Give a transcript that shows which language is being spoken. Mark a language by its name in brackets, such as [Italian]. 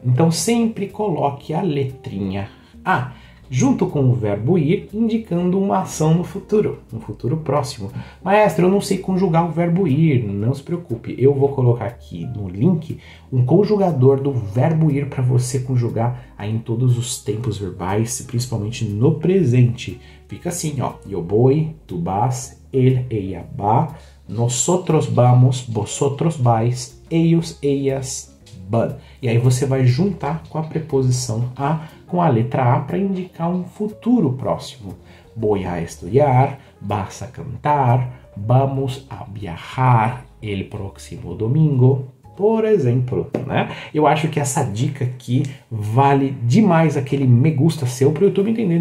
[Portuguese] Então sempre coloque a letrinha a junto com o verbo ir, indicando uma ação no futuro, no futuro próximo. Maestro, eu não sei conjugar o verbo ir, não se preocupe. Eu vou colocar aqui no link um conjugador do verbo ir para você conjugar aí em todos os tempos verbais, principalmente no presente. Fica assim, ó: [Spanish] yo voy, tú vas, él, ella va, nosotros vamos, vosotros vais, ellos, ellas van. [Portuguese] E aí você vai juntar com a preposição a, com a letra A, para indicar um futuro próximo. [Spanish] Voy a estudiar, vas a cantar, vamos a viajar el próximo domingo, [Portuguese] por exemplo, né? Eu acho que essa dica aqui vale demais aquele [Spanish] me gusta [Portuguese] seu para o YouTube entender.